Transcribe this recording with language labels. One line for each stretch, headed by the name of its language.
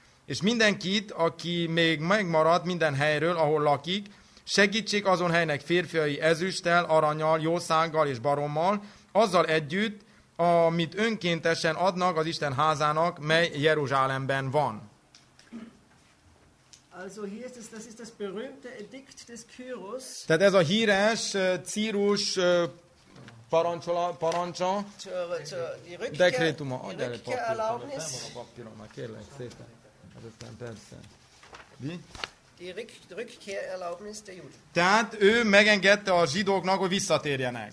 Hungarian: És mindenkit, aki még megmaradt minden helyről, ahol lakik, segítsék azon helynek férfiai ezüsttel, aranyal, jószággal és barommal, azzal együtt, amit önkéntesen adnak az Isten házának, mely Jeruzsálemben van.
German: Also hier ist es, das ist das berühmte Edikt des Kyros.
Hungarian: Tehát ez a híres Círus parancsa. Dekrétuma. Adj el egy papírt. Nem van a papírom, már kérlek szépen. Ez aztán persze. Mi?
German: Die Rückkehrerlaubnis der Juden.
Hungarian: Tehát ő megengedte a zsidóknak, hogy visszatérjenek.